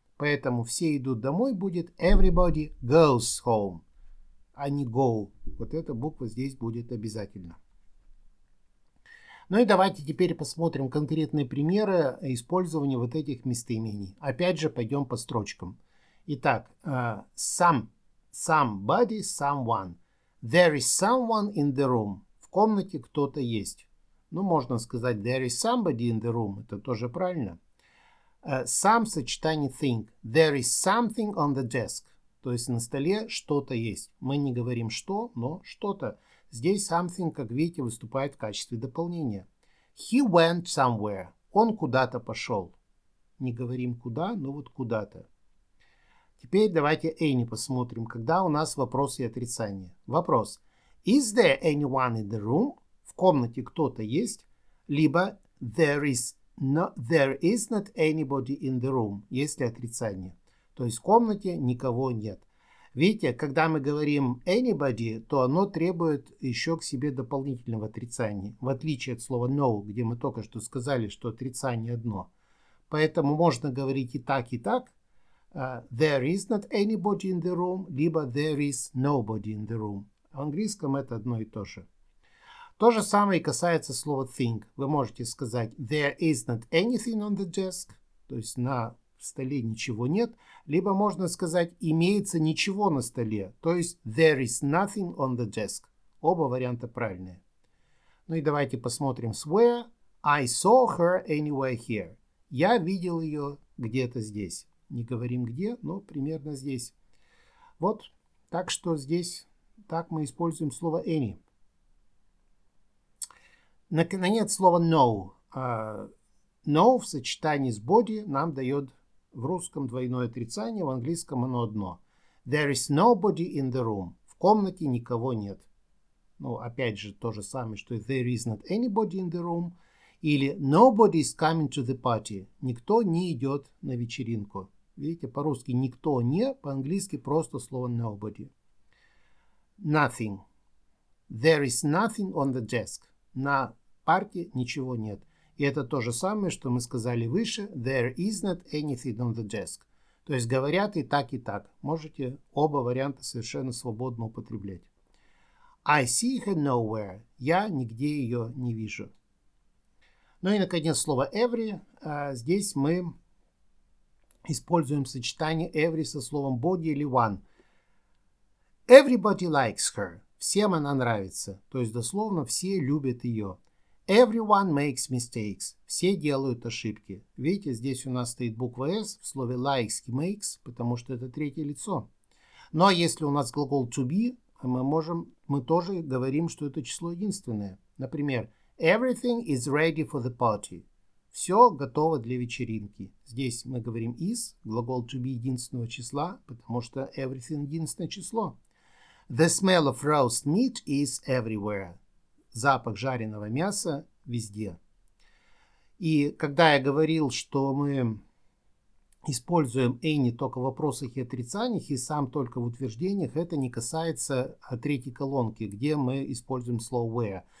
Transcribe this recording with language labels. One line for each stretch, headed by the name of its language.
Russian: Поэтому «все идут домой» будет
English: «everybody goes home»,
Russian: а не «go». Вот эта буква здесь будет обязательно. Ну и давайте теперь посмотрим конкретные примеры использования вот этих местоимений. Опять же, пойдем по строчкам.
English: Итак, somebody, someone. There is someone in the room.
Russian: В комнате кто-то есть. Ну, можно сказать
English: «there is somebody in the room».
Russian: Это тоже правильно. Some – сочетание «think».
English: «There is something on the desk».
Russian: То есть на столе что-то есть. Мы не говорим «что», но «что-то». Здесь «something», как видите, выступает в качестве дополнения.
English: «He went somewhere».
Russian: Он куда-то пошел. Не говорим «куда», но вот «куда-то». Теперь давайте «any» посмотрим, когда у нас вопрос и отрицание.
English: Вопрос. «Is there anyone in the room?»
Russian: В комнате кто-то есть, либо
English: there is not anybody in the room,
Russian: если отрицание. То есть в комнате никого нет. Видите, когда мы говорим anybody, то оно требует еще к себе дополнительного отрицания, в отличие от слова no, где мы только что сказали, что отрицание одно. Поэтому можно говорить и так,
English: there is not anybody in the room, либо there is nobody in the room.
Russian: В английском это одно и то же. То же самое и касается слова think. Вы можете сказать
English: there is not anything on the desk,
Russian: то есть на столе ничего нет, либо можно сказать имеется ничего на столе, то есть
English: there is nothing on the desk.
Russian: Оба варианта правильные. Ну и давайте посмотрим с where.
English: I saw her anywhere here.
Russian: Я видел ее где-то здесь. Не говорим где, но примерно здесь. Вот, так что здесь так мы используем слово any. Наконец, слово no. No в сочетании с body нам дает в русском двойное отрицание, в английском оно одно.
English: There is nobody in the room.
Russian: В комнате никого нет. Ну, опять же, то же самое, что
English: there is not anybody in the room. Или nobody is coming to the party.
Russian: Никто не идет на вечеринку. Видите, по-русски никто не, по-английски просто слово nobody.
English: Nothing. There is nothing on the desk.
Russian: На парке ничего нет. И это то же самое, что мы сказали выше.
English: There is not anything on the desk.
Russian: То есть говорят и так. Можете оба варианта совершенно свободно употреблять.
English: I see her nowhere.
Russian: Я нигде ее не вижу. Ну и, наконец, слово every. Здесь мы используем сочетание every со словом body или one.
English: Everybody likes her.
Russian: Всем она нравится. То есть дословно все любят ее.
English: Everyone makes mistakes.
Russian: Все делают ошибки. Видите, здесь у нас стоит буква S в слове likes и makes, потому что это третье лицо. Ну а если у нас глагол to be, мы тоже говорим, что это число единственное.
English: Например, everything is ready for the party.
Russian: Все готово для вечеринки. Здесь мы говорим is, глагол to be единственного числа, потому что everything единственное число.
English: The smell of roast meat is everywhere.
Russian: Запах жареного мяса везде. И когда я говорил, что мы используем any только в вопросах и отрицаниях, и сам только в утверждениях, это не касается третьей колонки, где мы используем слово where.